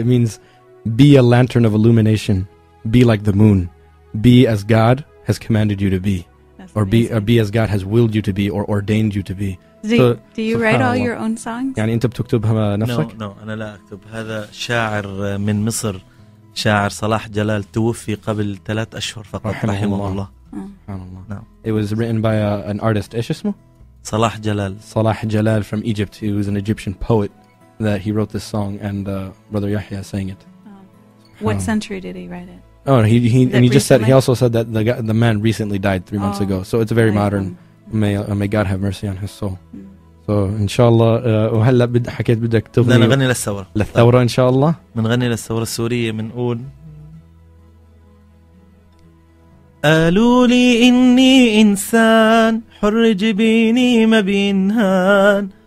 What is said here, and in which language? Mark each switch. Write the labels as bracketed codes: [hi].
[en] It means be a lantern of illumination. Be like the moon. Be as God has commanded you to be. Or be as God has willed you to be or ordained you to be. Do you write all your own songs? [ar] يعني أنت بتكتبها نفسك؟ [en] No, [ar] أنا لا أكتب. هذا شاعر من مصر. شاعر صلاح جلال توفي قبل 3 أشهر فقط. رحمه الله. [en] It was written by an artist. [ar] إيش اسمه؟ صلاح جلال. [en] صلاح جلال from Egypt. He was an Egyptian poet that he wrote this song and brother Yahya sang it. What century did he write it? Oh, he also said that the man recently died 3 months ago. So it's very modern. May God have mercy on his soul. So inshallah, [ar] وهلا بدي حكيت بدك تغني. أنا غني للثورة. للثورة إن شاء الله. من غني للثورة السورية من أول. قالوا لي إني إنسان حر جبيني ما بينهان.